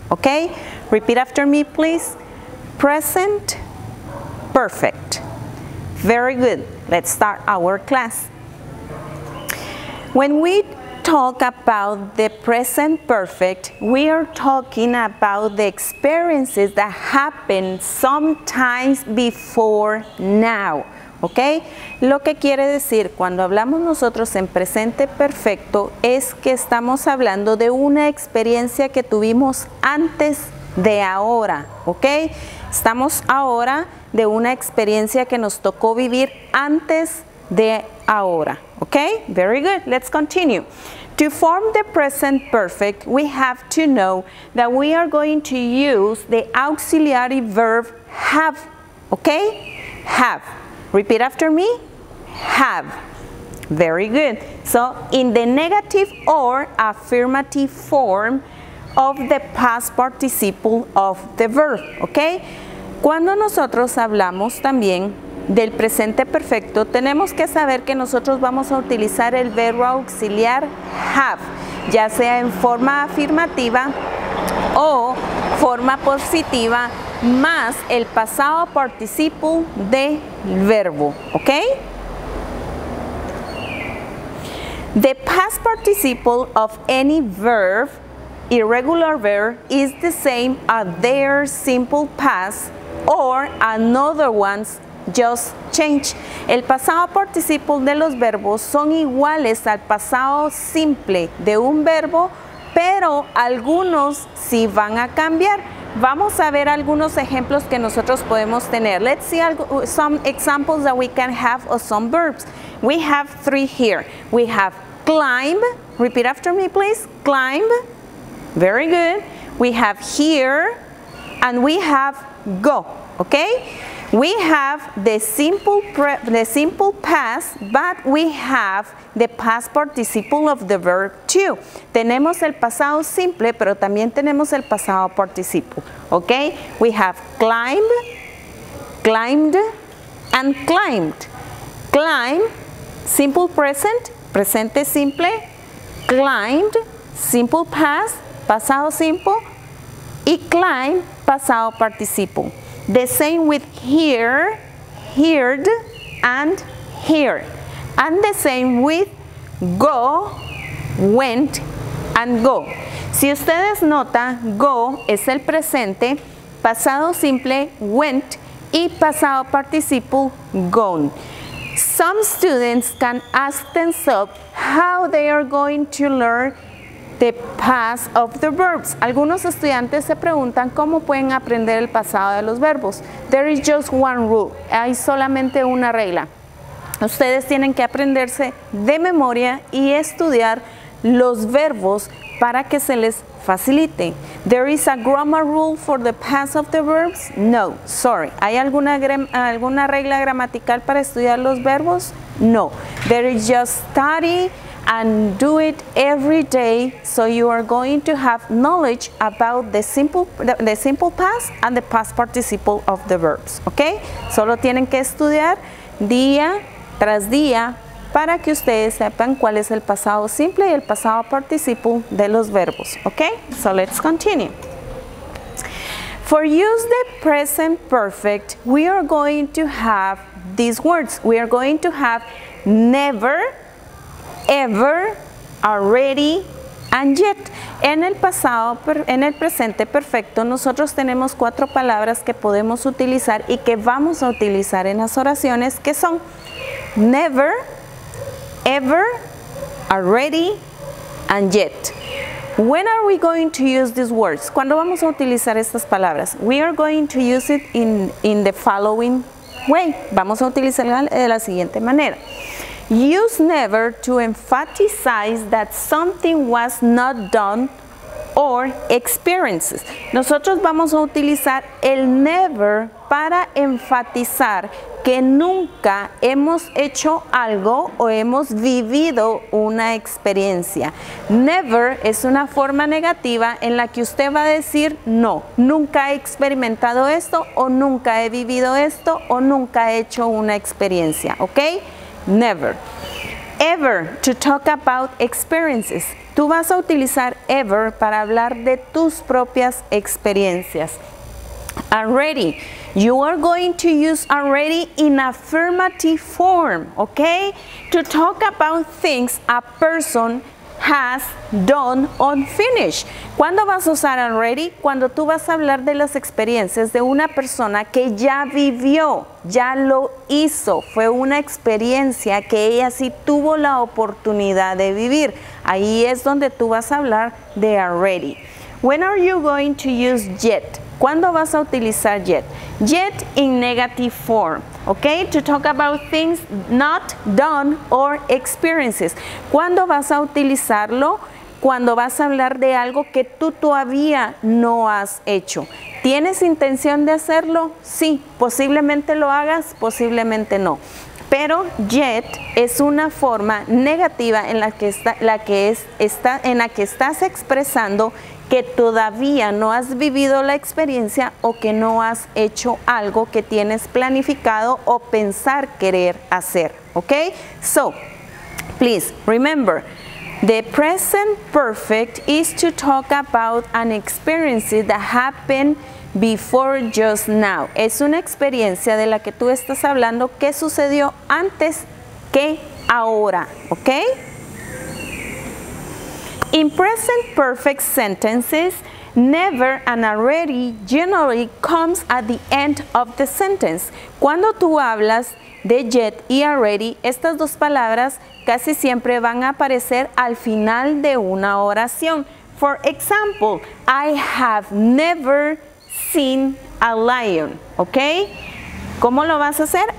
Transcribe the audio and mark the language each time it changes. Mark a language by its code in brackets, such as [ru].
[en] Okay? Repeat after me, please. Present perfect. Very good. Let's start our class. When we talk about the present perfect, we are talking about the experiences that happen sometimes before now. ¿Ok? [es] Lo que quiere decir cuando hablamos nosotros en presente perfecto es que estamos hablando de una experiencia que tuvimos antes de ahora. ¿Ok? Estamos ahora de una experiencia que nos tocó vivir antes de ahora. [en] ¿Ok? Very good. Let's continue. To form the present perfect, we have to know that we are going to use the auxiliary verb have. ¿Ok? Have. Repeat after me, have. Very good. So, in the negative or affirmative form of the past participle of the verb, okay? [es] Cuando nosotros hablamos también del presente perfecto, tenemos que saber que nosotros vamos a utilizar el verbo auxiliar have, ya sea en forma afirmativa o forma positiva, más el pasado participle del verbo, ¿ok? [en] The past participle of any verb, irregular verb, is the same as their simple past or another one's just change. [es] El pasado participle de los verbos son iguales al pasado simple de un verbo, pero algunos sí van a cambiar. Vamos a ver algunos ejemplos que nosotros podemos tener. [en] Let's see some examples that we can have of some verbs. We have three here. We have climb. Repeat after me, please. Climb. Very good. We have here. And we have go. Okay? We have the simple past, but we have the past participle of the verb too. [es] Tenemos el pasado simple, pero también tenemos el pasado participle. [en] Okay? We have climb, climbed, and climbed. Climb, simple present, [es] presente simple. [en] Climbed, simple past, [es] pasado simple. Y climb, pasado participle. [en] The same with hear, heard, and here. And the same with go, went, and go. [es] Si ustedes notan, go es el presente, pasado simple, went, y pasado participle, gone. [en] Some students can ask themselves how they are going to learn the past of the verbs. [es] Algunos estudiantes se preguntan cómo pueden aprender el pasado de los verbos. [en] There is just one rule. [es] Hay solamente una regla. Ustedes tienen que aprenderse de memoria y estudiar los verbos para que se les facilite. [en] There is a grammar rule for the past of the verbs? No, sorry. [es] ¿Hay alguna regla gramatical para estudiar los verbos? No. [en] There is just study and do it every day, so you are going to have knowledge about the simple past and the past participle of the verbs, okay? [es] Solo tienen que estudiar día tras día para que ustedes sepan cuál es el pasado simple y el pasado participle de los verbos, okay? [en] So let's continue. For use the present perfect, we are going to have these words. We are going to have never, ever, already, and yet. [es] En el pasado, en el presente perfecto, nosotros tenemos cuatro palabras que podemos utilizar y que vamos a utilizar en las oraciones, que son never, ever, already, and yet. [en] When are we going to use these words? [es] ¿Cuándo vamos a utilizar estas palabras? [en] We are going to use it in the following way. [es] Vamos a utilizarla de la siguiente manera. [en] Use never to emphasize that something was not done or experienced. [es] Nosotros vamos a utilizar el never para enfatizar que nunca hemos hecho algo o hemos vivido una experiencia. Never es una forma negativa en la que usted va a decir no, nunca he experimentado esto o nunca he vivido esto o nunca he hecho una experiencia, ¿ok? Never. [en] Ever, to talk about experiences. [es] Tú vas a utilizar ever para hablar de tus propias experiencias. [en] Already. You are going to use already in affirmative form, okay? To talk about things a person has done or finished. [es] ¿Cuándo vas a usar already? Cuando tú vas a hablar de las experiencias de una persona que ya vivió, ya lo hizo. Fue una experiencia que ella sí tuvo la oportunidad de vivir. Ahí es donde tú vas a hablar de already. [en] When are you going to use yet? [es] ¿Cuándo vas a utilizar yet? [en] Yet in negative form, okay? To talk about things not done or experiences. [es] ¿Cuándo vas a utilizarlo? Cuando vas a hablar de algo que tú todavía no has hecho. ¿Tienes intención de hacerlo? Sí, posiblemente lo hagas, posiblemente no. Pero yet es una forma negativa en la que estás expresando que todavía no has vivido la experiencia o que no has hecho algo que tienes planificado o pensar querer hacer, ¿ok? [en] So, please remember, the present perfect is to talk about an experience that happened before just now. [es] Es una experiencia de la que tú estás hablando que sucedió antes que ahora, ¿ok? [en] In present perfect sentences, never and already generally comes at the end of the sentence. [es] Cuando tú hablas de yet y already, estas dos palabras casi siempre van a aparecer al final de una oración. [en] For example, I have never seen a lion. Okay? [es] ¿Cómo lo vas a hacer?